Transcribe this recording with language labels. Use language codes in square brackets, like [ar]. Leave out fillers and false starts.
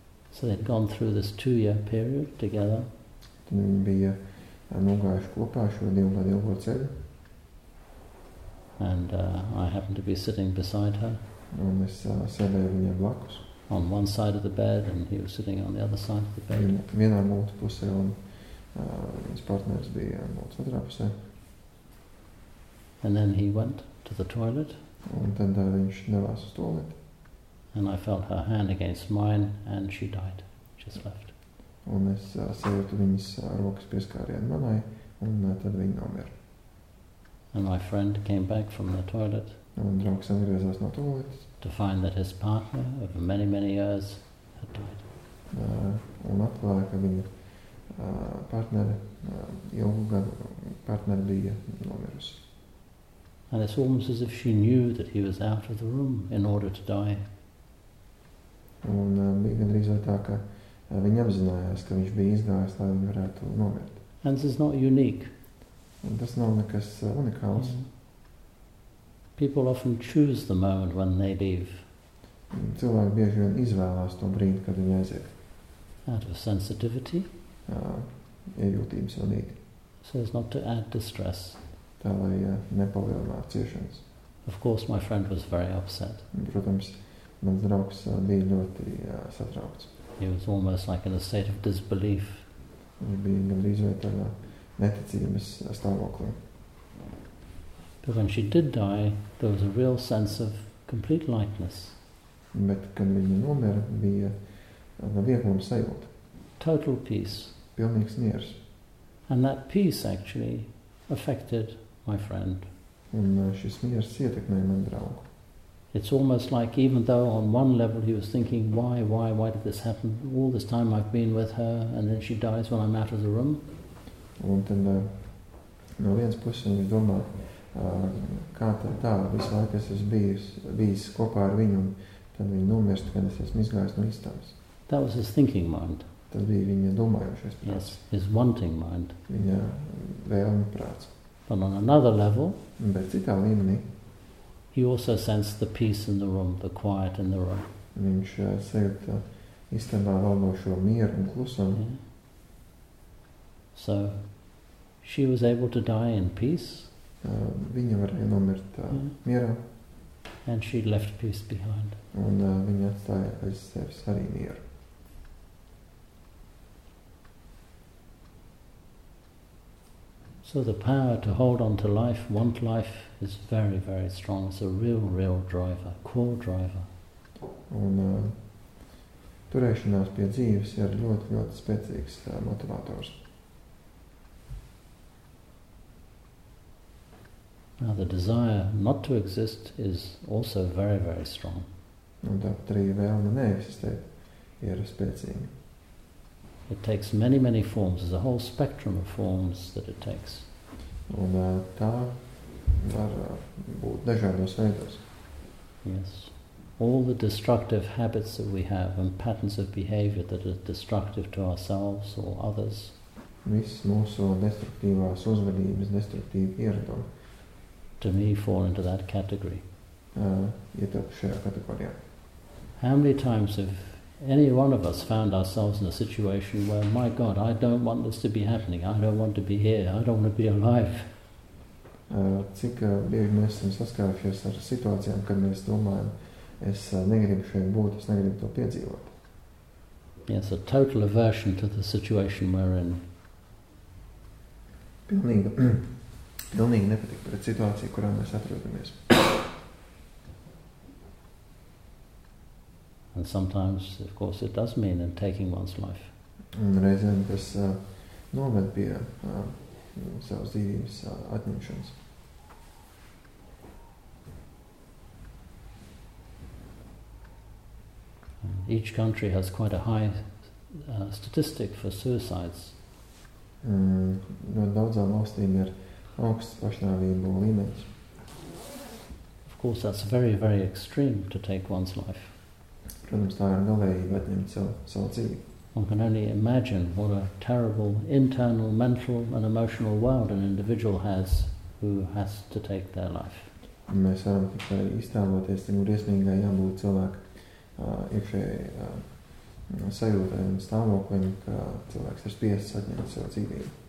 [en] So they'd gone through this 2-year period together. [lv] Tad viņi bija nogājuši kopā šo 2 gadu ilgo ceļu. [en] And I happened to be sitting beside her. [lv] Un es sēdēju viņai blakus. [en] On one side of the bed and he was sitting on the other side of the bed. [lv] Vienā mūtu pusē un viņas partners bija mūtu otrā pusē. [en] And then he went to the toilet. [lv] Un tad viņš devās uz tualeti. [en] And I felt her hand against mine and she died, just left. [lv] Un es sajūtu viņas rokas pieskārien manai un tad viņa nomira. [en] And my friend came back from the toilet. [lv] Un draugs atgriezās no tualetes. [en] To find that his partner of many, many years had died. [lv] Un atklāja, ka viņa partneri, ilgu gadu partneri bija nomirusi. [en] And it's almost as if she knew that he was out of the room in order to die. [lv] Un bija gandrīz tā, ka viņa apzinājās, ka viņš bija izgājis, lai viņa varētu nomirt. [en] And this is not unique. [lv] Un tas nav nekas unikāls. Mm. [en] People often choose the moment when they leave. [lv] Cilvēki bieži vien izvēlās to brīdi, kad viņi aiziet. [en] Out of sensitivity. [lv] Iejūtības vienīgi. [en] So as not to add distress. [lv] Tā lai nepalielinātu ciešanas. [en] Of course, my friend was very upset. [lv] Protams, mans draugs bija ļoti satraukts. [en] He was almost like in a state of disbelief. [lv] Viņš bija gandrīz vai tādā neticības stāvoklī. [en] But when she did die, there was a real sense of complete lightness. [lv] Bet, kad viņa nomira, bija vieglums sajūta. [en] Total peace. [lv] Pilnīgs miers. [en] And that peace actually affected my friend. [lv] Un šis miers ietekmēja manu draugu. [en] It's almost like even though on one level he was thinking, why did this happen? All this time I've been with her and then she dies when I'm out of the room. [lv] Un tad no vienas puses viņš domā, kā tā visu laiku es esmu bijis kopā ar viņu un tad viņa nomirst, kad es esmu izgājis no istabas. [en] That was his thinking mind. [lv] Tas bija viņa domājošais prāts. [en] Yes, his wanting mind. [lv] Viņa vēlme prāts. [en] But on another level, [lv] bet citā līmenī, [en] he also sensed the peace in the room, the quiet in the room. [lv] Viņš sajūt istabā valdošo mieru un klusumu. [en] Yeah. So, she was able to die in peace. [lv] Viņa varēja nomirt mierā. [en] And she left peace behind. [lv] Un viņa atstāja aiz sevis arī mieru. [en] So the power to hold on to life, want life, is very, very strong. It's a real, real driver, core driver. [lv] Un turēšanās pie dzīves ir ļoti, ļoti spēcīgs motivators. [en] Now the desire not to exist is also very, very strong. [lv] Un tā arī vēlme neeksistēt ir spēcīga. [en] It takes many, many forms. There's a whole spectrum of forms that it takes. [lv] Un tā var būt dažādos veidos. [en] Yes. All the destructive habits that we have and patterns of behavior that are destructive to ourselves or others. [lv] Viss mūsu destruktīvās uzvedības, destruktīvi ieradumi. [en] To me fall into that category. [lv] Ietilpst šajā kategorijā. [en] How many times have any one of us found ourselves in a situation where, my God, I don't want this to be happening, I don't want to be here, I don't want to be alive? [lv] cik bieži mēs esam saskārušies ar situācijām, kad mēs domājam, es negribu šeit būt, es negribu to piedzīvot. [en] Yes, a total aversion to the situation we're in. [lv] Pilnīgi nepatīk pret situāciju, kurā mēs atrodamies. [en] And sometimes, of course, it does mean in taking one's life. [lv] Un reizēm tas noved pie savas dzīvības atņemšanas. [en] Each country has quite a high statistic for suicides. [lv] No daudzām valstīm ir augsts pašnāvību līmenis. [en] Of course, that's very, very extreme to take one's life. [lv] Protams, tā ir galējība atņemt savu dzīvi. [en] One can only imagine what a terrible internal, mental and emotional world an individual has who has to take their life. [lv] Mēs varam tikai iztēloties, cik briesmīgai jābūt cilvēku iekšējai sajūtai un stāvoklim, ka cilvēks ir spiests atņemt savu dzīvību.